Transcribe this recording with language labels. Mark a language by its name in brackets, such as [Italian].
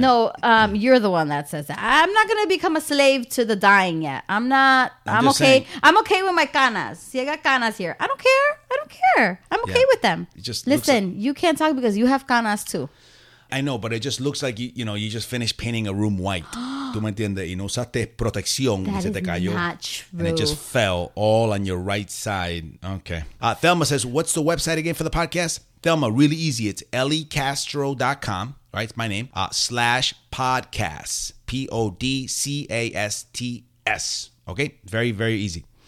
[English] No, you're the one that says that. I'm not going to become a slave to the dyeing yet. I'm not. I'm okay. Saying. I'm okay with my canas. See, I got canas here. I don't care. I'm okay with them. Just listen, you can't talk because you have canas too. I know, but it just looks like, you know, you just finished painting a room white. [Spanish] Tú me entiendes, y no usaste protección [English] that [Spanish] y se te cayó. [English] And it just fell all on your right side. Okay. Thelma says, what's the website again for the podcast? Thelma, really easy. It's elliecastro.com, right? It's my name. /podcasts. PODCASTS. Okay? Very, very easy.